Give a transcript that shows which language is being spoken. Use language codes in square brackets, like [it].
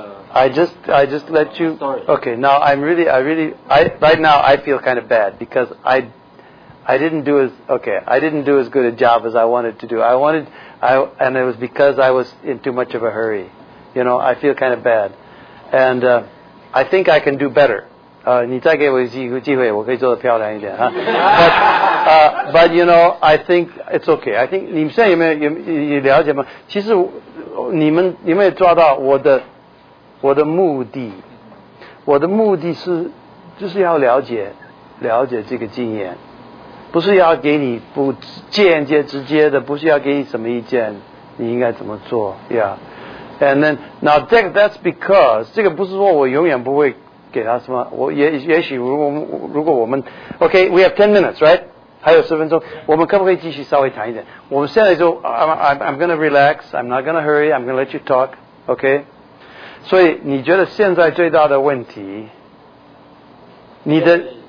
[en] I just let you. Sorry. Okay. Now I right now I feel kind of bad because I didn't do as good a job as I wanted to do. And it was because I was in too much of a hurry. You know, I feel kind of bad. And I think I can do better. [zh] 你再给我一个机会，我可以做得漂亮一点。 [en] Huh? But you know, I think it's okay. I think [zh] 你们现在有没有了解吗？其实你们有没有抓到我的目的？我的目的是就是要了解这个经验。不是要给你不间接直接的，不是要给你什么意见，你应该怎么做 ？ [en] Yeah, and then now that's because [zh] 这个不是说我永远不会给他什么，我也许如果我们 [en] OK, we have 10 minutes, right? [zh] 还有十分钟，我们可不可以继续稍微谈一点？我们现在就 [en] I'm gonna relax, I'm not gonna hurry, I'm gonna let you talk, OK? [zh] 所以你觉得现在最大的问题，你的？